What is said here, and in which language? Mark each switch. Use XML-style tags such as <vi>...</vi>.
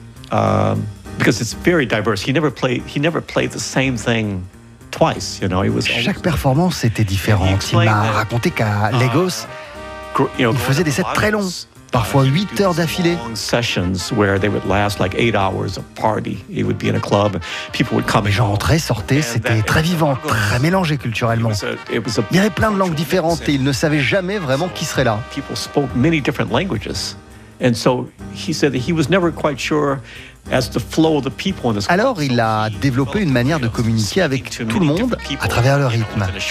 <en>Because it's very diverse. He never played the same thing. Twice,</en> <fr>Chaque performance était différente. Il m'a raconté qu'à Lagos, il faisait des sets très longs, parfois 8 heures d'affilée.</fr> <en>Sessions where they would last like 8 hours of party. It would be in a club. People would come.</en> <fr>Les gens entraient, sortaient. C'était très vivant, très mélangé culturellement. Il y avait plein de langues différentes et ils ne savaient jamais vraiment qui serait là.</fr> <en>People spoke many different languages, and so he said that he was never quite sure.</en> <fr>Alors, il a développé une manière de communiquer avec tout le monde à travers le rythme.</fr>